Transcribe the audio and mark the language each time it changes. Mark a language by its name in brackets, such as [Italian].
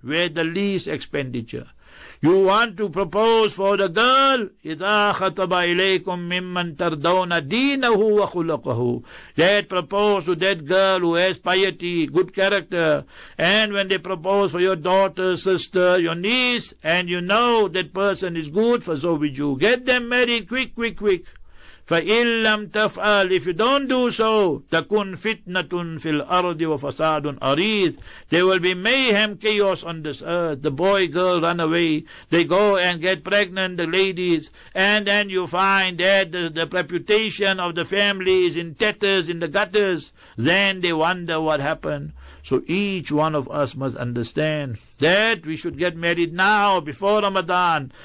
[English] Where the least expenditure. You want to propose for the girl, [Arabic] إِذَا خَطَبَ إِلَيْكُمْ مِمَّنْ تَرْضَوْنَ دِينَهُ وَخُلَقَهُ. [English] That propose to that girl who has piety, good character. And when they propose for your daughter, sister, your niece, and you know that person is good, [Arabic] فَزَوِجُوا. [English] Get them married quick, quick, quick. [Arabic] فَإِنْ لَمْ تَفْعَلْ. [English] If you don't do so, [Arabic] تَكُنْ فِتْنَةٌ فِي الْأَرْضِ وَفَسَادٌ أَرِيثٌ. [English] There will be mayhem, chaos on this earth. The boy, girl run away. They go and get pregnant, the ladies. And then you find that the reputation of the family is in tatters, in the gutters. Then they wonder what happened. So each one of us must understand that we should get married now before Ramadan.